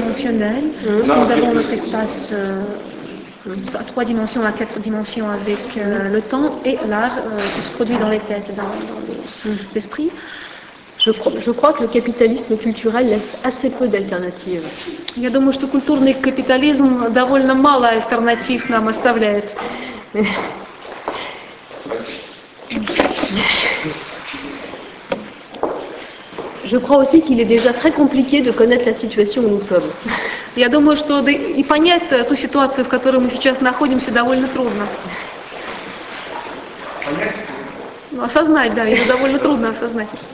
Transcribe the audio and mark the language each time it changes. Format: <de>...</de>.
<ru>четырехмерное пространство.</ru> <fr>À trois dimensions, à quatre dimensions avec le temps et l'art qui se produit dans les têtes, dans l'esprit. Je crois que le capitalisme culturel laisse assez peu d'alternatives.</fr> <ru>Я думаю, что культурный капитализм довольно мало альтернатив нам оставляет.</ru> <fr>Je crois aussi qu'il est déjà très compliqué de connaître la situation où nous sommes.</fr> <ru>Я думаю, что и понять ту ситуацию, в которой мы сейчас находимся, довольно трудно. Понять? Ну, осознать, да, это довольно трудно осознать.</ru>